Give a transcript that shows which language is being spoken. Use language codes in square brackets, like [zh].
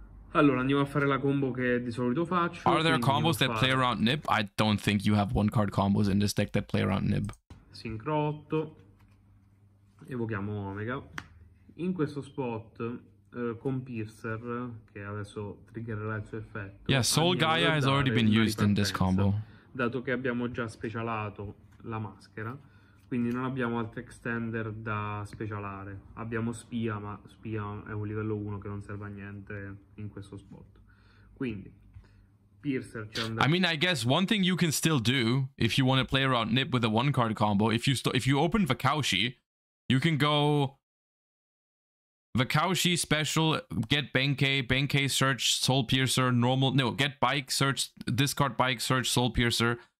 [it] Allora, andiamo a fare la combo che di solito faccio. [en] Are there combos that play around Nib? I don't think you have one card combos in this deck that play around Nib. [it] Sincro 8, evochiamo Omega. In questo spot, con Piercer, che adesso triggererà il suo effetto. [en] Yeah, Soul Gaia has already been used in this combo. [it] Dato che abbiamo già specialato la maschera, quindi non abbiamo altri extender da specialare. Abbiamo Spia, ma Spia è un livello 1 che non serve a niente in questo spot. Quindi... [en] I mean, I guess one thing you can still do if you want to play around Nib with a one card combo, if you open Vakaushi, you can go Vakaushi special, get Benkei search Soul Piercer, normal, no, get Bike search, discard Bike search Soul Piercer.